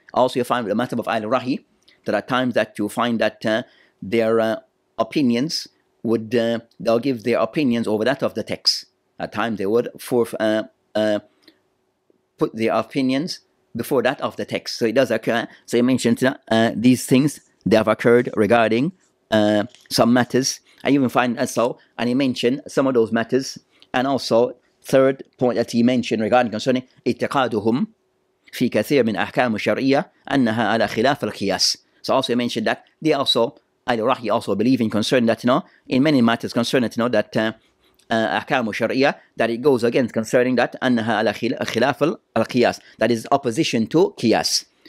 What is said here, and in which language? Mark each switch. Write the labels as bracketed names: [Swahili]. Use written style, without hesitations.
[English] Also you find with the matter of al-rahi that at times that you find that their opinions would they'll give their opinions over that of the text. At times they would put their opinions before that of the text. So it does occur. So you mentioned these things, they have occurred regarding some matters. I even find so, and he mentioned some of those matters. And also, third point that he mentioned regarding concerning [Arabic] اتقادهم في كثير من أحكام الشرعية أنها على خلاف القياس. [English] So also he mentioned that they also, Al-Rahi also believe in concern that, you know, in many matters concerning, you know, that ahkam al-shar'iyya, that it goes against concerning that [Arabic] annaha ala khilaf al-qiyas, [English] that is opposition to qiyas.